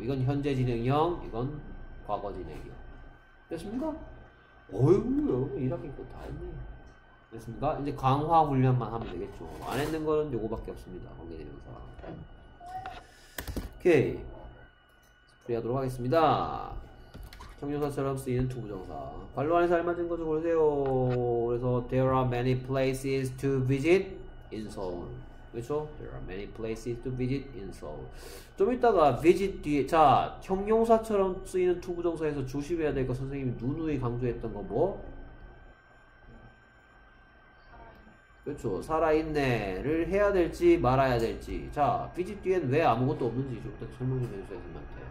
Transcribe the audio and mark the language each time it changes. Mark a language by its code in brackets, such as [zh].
[ko] 이건 현재 진행형, 이건 과거 진행형. 됐습니까? 어이구, 1학기 거 다 했네. 됐습니까? 이제 강화 훈련만 하면 되겠죠. 안 했는 거는 요거밖에 없습니다. 관계대명사. 오케이. 스프레이하도록 하겠습니다. 형용사처럼 쓰이는 투부정사. 관로 안에서 알맞은 것을 고르세요. 그래서 [en] there are many places to visit in Seoul. [ko] 그렇죠? [en] There are many places to visit in Seoul. [ko] 좀 이따가 visit 뒤에 자 형용사처럼 쓰이는 투부정사에서 조심해야 될 거 선생님이 누누이 강조했던 거 뭐? 그렇죠. 살아있네를 해야 될지 말아야 될지. 자, 비지 뒤엔 왜 아무것도 없는지 일단 설명 좀 해주세요. 선생님한테.